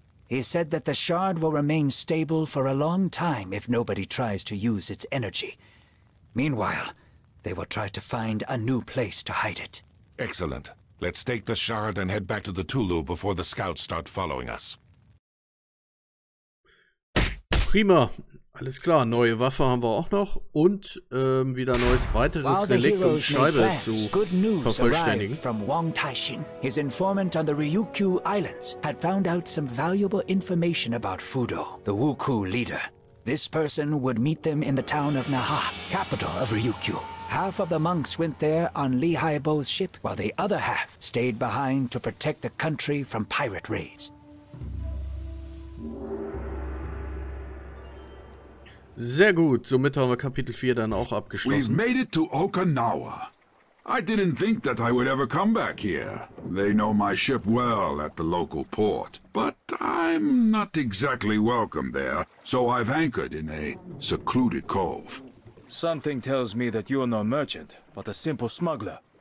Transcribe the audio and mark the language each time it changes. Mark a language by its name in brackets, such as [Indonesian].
[English] He said that the shard will remain stable for a long time if nobody tries to use its energy. Meanwhile, they will try to find a new place to hide it. Excellent. Let's take the shard and head back to the Tulu before the scouts start following us. [German] Prima. Alles klar, neue Waffe haben wir auch noch und wieder neues weiteres Relikt und Scheibe zu vervollständigen. [English] From Wong Taishin, his informant on the Ryukyu Islands, had found out some valuable information about Fudo, the Wukou leader. This person would meet them in the town of Naha, capital of Ryukyu. Half of the monks went there on Li Haibo's ship, while the other half stayed behind to protect the country from pirate raids. [German] Sehr gut, somit haben wir Kapitel 4 dann auch abgeschlossen. [English] We've made it to Okinawa. I didn't think that I would ever come back here. They know my ship well at the local port, but I'm not exactly welcome there, so I've anchored in a secluded cove. Something tells me that you're no merchant, but a simple smuggler.